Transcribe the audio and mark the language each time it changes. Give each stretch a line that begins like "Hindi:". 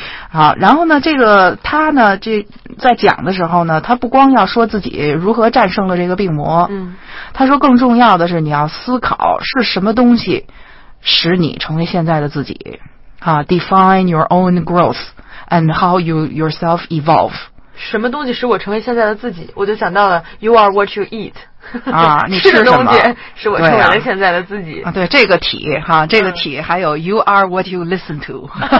Chinese: 好，然后呢，这个他呢，这在讲的时候呢，他不光要说自己如何战胜了这个病魔，他说更重要的是你要思考是什么东西使你成为现在的自己，
English: define your own growth and how you yourself evolve。
Chinese: 什么东西使我成为现在的自己？我就想到了
English: ，you are what you eat。
Chinese: 啊，你吃什么？吃的东西是我成为了现在的自己。对，这个体哈，这个体还有
English: you are what you listen to。